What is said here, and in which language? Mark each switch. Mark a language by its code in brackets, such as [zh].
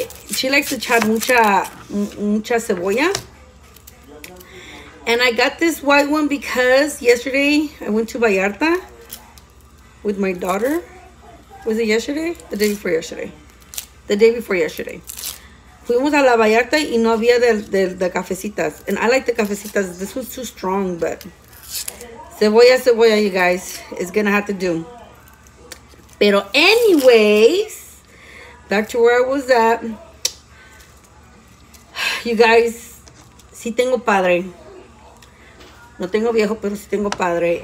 [en] She likes to chat [es] mucha cebolla. [en] And I got this white one because yesterday I went to Vallarta with my daughter. Was it yesterday? The day before yesterday. The day before yesterday. [es] Fuimos a la Vallarta y no había de cafecitas. [en] And I like the cafecitas. This one's too strong, but cebolla, you guys. It's going to have to do. Pero anyways, back to where I was at. You guys, [es] sí tengo padre. No tengo viejo, pero sí tengo padre.